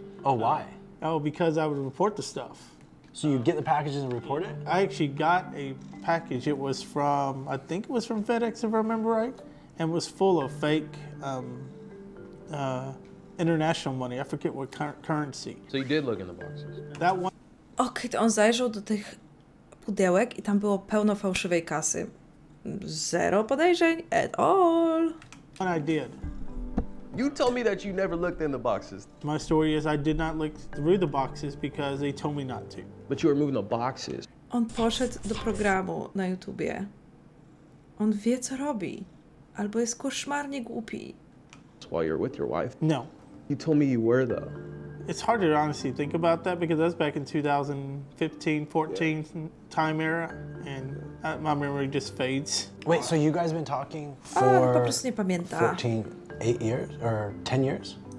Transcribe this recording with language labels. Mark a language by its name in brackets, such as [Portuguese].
[English] Oh, why? Because I would report the stuff. So you get the packages and report it? I actually got a package. It was from, I think it was from FedEx if I remember right. And it was full of fake international money. I forget what currency. So you did look in the boxes? That one. [Polish] Okay, to on zajrzał do tych pudełek i tam było pełno fałszywej kasy. Zero podejrzeń [English] at all. And I did. You told me that you never looked in the boxes. My story is I did not look through the boxes because they told me not to. But you were moving the boxes. [Polish] On poszedł do programu na YouTubie. On wie, co robi. albo jest koszmarnie głupi. [English] That's why you're with your wife? No. You told me you were, though. It's hard to honestly think about that because that's back in 2015, 14 yeah. time era, and my memory just fades. Wait, so you guys been talking for 14, 8 years or 10 years?